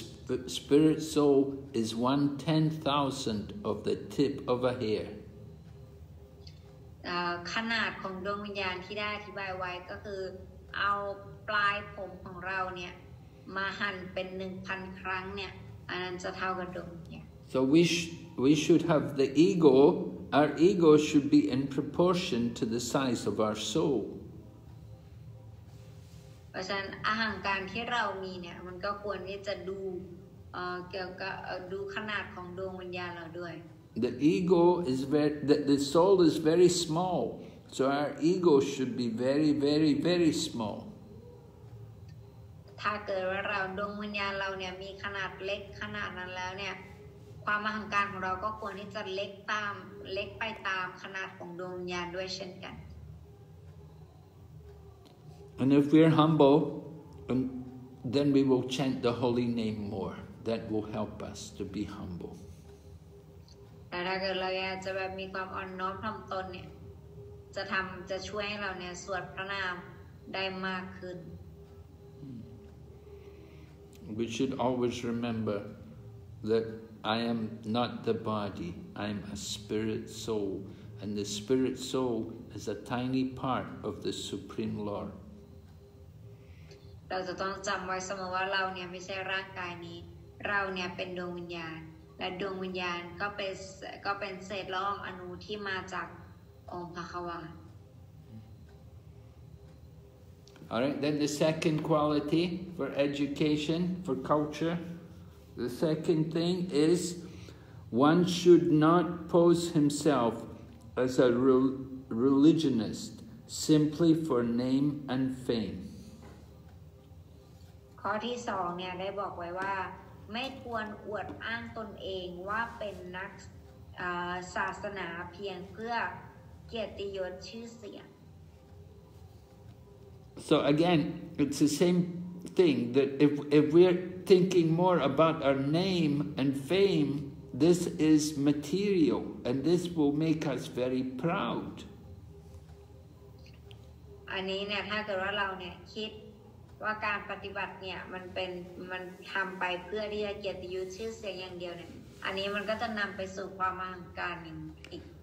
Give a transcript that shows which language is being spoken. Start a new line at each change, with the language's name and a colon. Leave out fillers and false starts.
English: The spirit soul is 1/10,000 of the tip of a hair.
Thai: ขนาดของดวงวิญญาณที่ได้อธิบายไว้ก็คือเอาปลายผมของเราเนี่ย มาหั่นเป็น 1,000 ครั้งเนี่ยอันนั้นจะเท่ากับดงเนี่ย
English: So we should have the ego. Our ego should be in proportion to the size of our soul.
Thai: เพราะฉะนั้นอาหังการที่เรามีเนี่ยมันก็ควรที่จะดูเกี่ยวกับดูขนาดของดวงวิญญาณเราด้วย
English: The ego is the soul is very small. So our ego should be very, very, very small.
Thai: ถ้าเกิดว่าเราดวงวิญญาณเราเนี่ยมีขนาดเล็กขนาดนั้นแล้วเนี่ยความมหังการของเราก็ควรที่จะเล็กไปตามขนาดของดวงวิญญาณด้วยเช่นกัน
English: And if we're humble, then we will chant the holy name more. That will help us to be humble.
Thai: แต่ถ้าเกิดเราอยากจะแบบมีความอ่อนน้อมถ่อมตนเนี่ยจะช่วยให้เราเนี่ยสวดพระนามได้มากขึ้น
English: We should always remember that I am not the body. I am a spirit soul. And the spirit soul is a tiny part of the Supreme Lord.
Thai: เราจะต้องจำไว้เสมอว่าเราเนี่ยไม่ใช่ร่างกายนี้เราเนี่ยเป็นดวงวิญญาณและดวงวิญญาณก็เป็นเศษละอองอนุที่มาจากองค์พระควา
English: All right, then the second quality for education, for culture, the second thing is one should not pose himself as a religionist simply for name and fame.
Thai: ข้อที่สองเนี่ยได้บอกไว้ว่าไม่ควรอวดอ้างตนเองว่าเป็นนักศาสนาเพียงเพื่อเกียรติยศชื่อเสียง
English: So again, it's the same thing that if we're thinking more about our name and fame, this is material and this will make us very proud.
Thai: อันนี้เนี่ยถ้าเกิดว่าเราเนี่ยคิดว่าการปฏิบัติเนี่ยมันทำไปเพื่อที่จะเกียรติยศชื่อเสียงอย่างเดียวเนี่ยอันนี้มันก็จะนำไปสู่ความมหังการอีก